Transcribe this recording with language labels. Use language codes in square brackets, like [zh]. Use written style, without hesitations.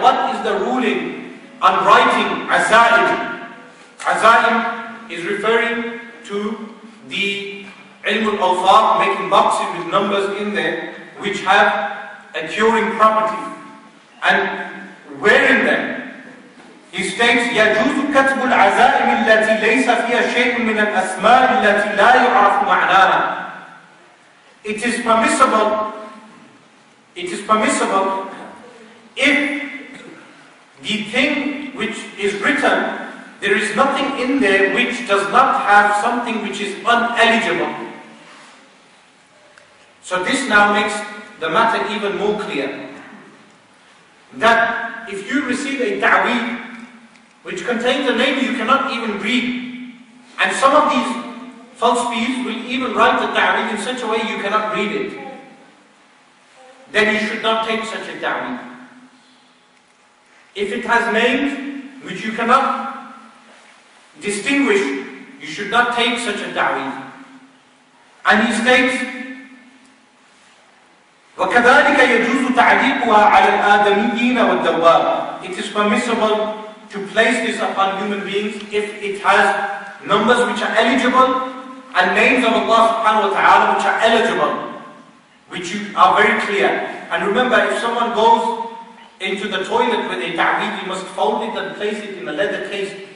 [en] What is the ruling on writing عَزَائِمِ? عَزَائِم is referring to the ilm al-awfaq, making boxes with numbers in there which have a curing property and wearing them. He states, [ar] يَجُوزُ كَتْبُ الْعَزَائِمِ الَّتِي لَيْسَ فِيهَا شَيْءٌ مِنَ الْأَسْمَاءِ الَّتِي لَا يُعْرَفُ مَعْنَاهَا. [en] It is permissible. It is permissible if the thing which is written, there is nothing in there which does not have something which is uneligible. So this now makes the matter even more clear. That if you receive a ta'weed which contains a name you cannot even read, and some of these false beings will even write the ta'weed in such a way you cannot read it, then you should not take such a ta'weed. If it has names which you cannot distinguish, you should not take such a ta'wil. [ar] And he states, وَكَذَلِكَ يَجُوزُ تَعْدِيقُهَا عَلَى الْآدَمِيِّينَ وَالدَّوَّابِ. [en] It is permissible to place this upon human beings if it has numbers which are eligible and names of Allah subhanahu wa ta'ala which are eligible, which are very clear. And remember, if someone goes into the toilet with a ta'wil, he must fold it and place it in a leather case.